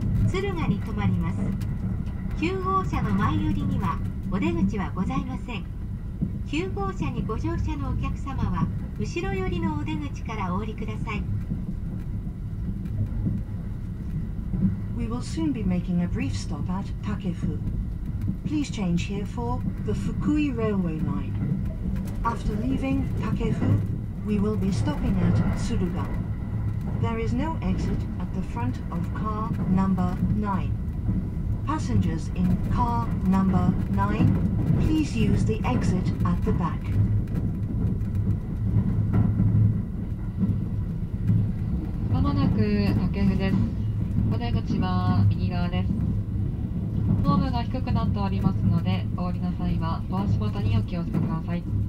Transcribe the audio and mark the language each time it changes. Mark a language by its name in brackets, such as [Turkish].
[Japanese] 敦賀に停まります。9号車の前寄りにはお出口はございません。9号車にご乗車のお客様は後ろ寄りのお出口からお降りください。 [English] We will soon be making a brief stop at Takefu. Please change here for the Fukui Railway Line. After leaving Takefu, we will be stopping at Tsuruga. There is no exit at the front of car number 9. Passengers in car number 9, please use the exit at the back. [Japanese] まもなく竹府です。お出口は右側です。ホームが低くなっておりますので、お降りの際はお足元にお気をつけください。